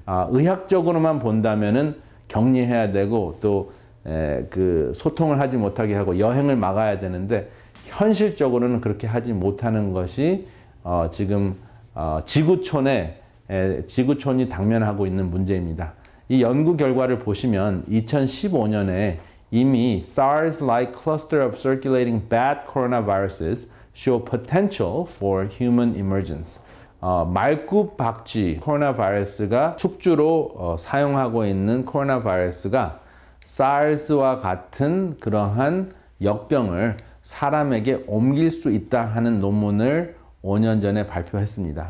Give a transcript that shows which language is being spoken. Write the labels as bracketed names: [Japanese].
[Korean] 의학적으로만 본다면은 격리해야 되고 또 그 소통을 하지 못하게 하고 여행을 막아야 되는데 현실적으로는 그렇게 하지 못하는 것이 지금 지구촌에 지구촌이 당면하고 있는 문제입니다. 이 연구 결과를 보시면 2015년에 이미 [English] SARS-like cluster of circulating bat coronaviruses show potential for human emergence. [Korean] 말굽박쥐 코로나 바이러스가 숙주로 사용하고 있는 코로나 바이러스가 SARS와 같은 그러한 역병을 사람에게 옮길 수 있다 하는 논문을 5년 전에 발표했습니다.